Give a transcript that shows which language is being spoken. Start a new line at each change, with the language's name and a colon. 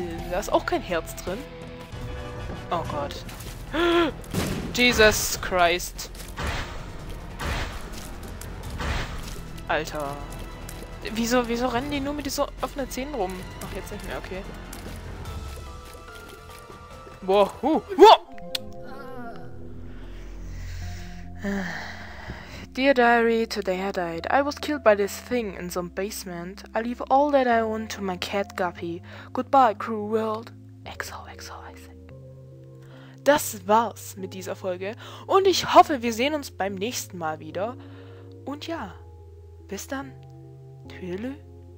German: Da ist auch kein Herz drin. Oh Gott. Jesus Christ. Alter. Wieso rennen die nur mit diesen offenen Zähnen rum? Ach, jetzt nicht mehr, okay.
English: Boah, Dear Diary, today I died. I was killed by this thing in some basement. I leave all that I own to my cat Guppy. Goodbye, cruel world. XOXO, Isaac.
German: Das war's mit dieser Folge. Und ich hoffe, wir sehen uns beim nächsten Mal wieder. Und ja, bis dann. Tschüss.